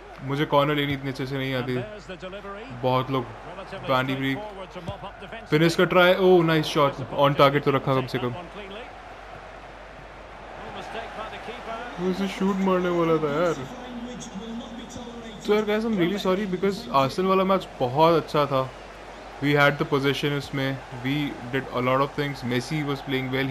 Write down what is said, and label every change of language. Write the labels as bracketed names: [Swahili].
[Hindi] मुझे कॉर्नर लेनी इतने अच्छे से नहीं आती. बहुत लोग van de Beek. फिनिश का try. [English] Oh nice shot. [Hindi] On target तो रखा कम से कम. उसे शूट मारने वाला था यार. तो यार [English] guys I am really sorry because Arsenal [Hindi] वाला मैच बहुत अच्छा था. [English] We had the position उसमें. We did a lot of things. Messi was playing well.